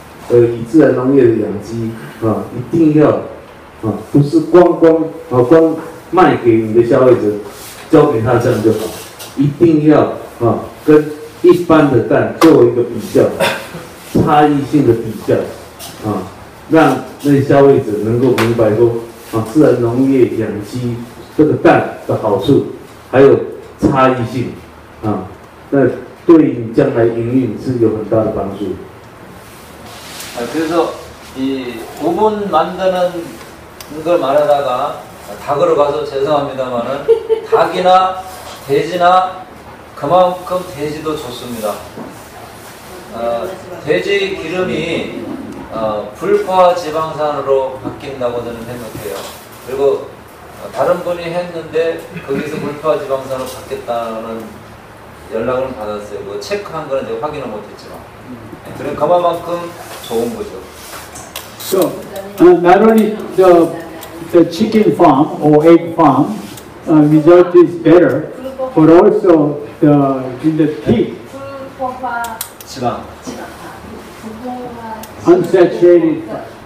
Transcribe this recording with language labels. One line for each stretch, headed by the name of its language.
Chinese: 以自然农业的养鸡，一定要不是光卖给你的消费者，交给他这样就好，一定要跟一般的蛋做一个比较，差异性的比较，让那些消费者能够明白说自然农业养鸡这个蛋的好处，还有差异性，那对你将来营运是有很大的帮助。
Korean: 그래서 이 우분 만드는 걸 말하다가 닭으로 가서 죄송합니다만은 닭이나 돼지나 그만큼 돼지도 좋습니다. 돼지 기름이 불포화 지방산으로 바뀐다고 저는 생각해요. 그리고 다른 분이 했는데 거기서 불포화 지방산으로 바뀌었다는 연락을 받았어요. 뭐 체크한 거는 제가 확인을 못했지만.
English: So, not only the chicken farm or egg farm result is better, but also the in the pig, unsaturated.